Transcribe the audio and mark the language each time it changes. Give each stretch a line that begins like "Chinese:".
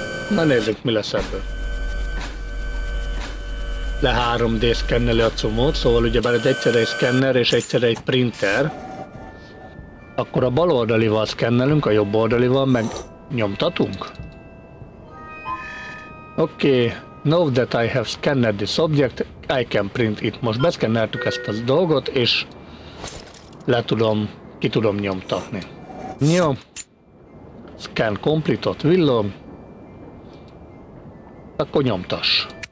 Hungarian: Na nézzük, mi lesz ebből. Le 3D szkenneli a cumót, szóval ugye bár ez egyszerre egy szkenner és egyszerre egy printer. Akkor a bal oldalival szkennelünk, a jobb oldalival meg nyomtatunk. Oké, okay.
English: Now that I have scanned this object, I can print it.
Hungarian: Most beszkenneltük ezt a dolgot, és ki tudom nyomtatni. Jó.
English: Scan complete,
Hungarian: ott villom. Akkor nyomtass.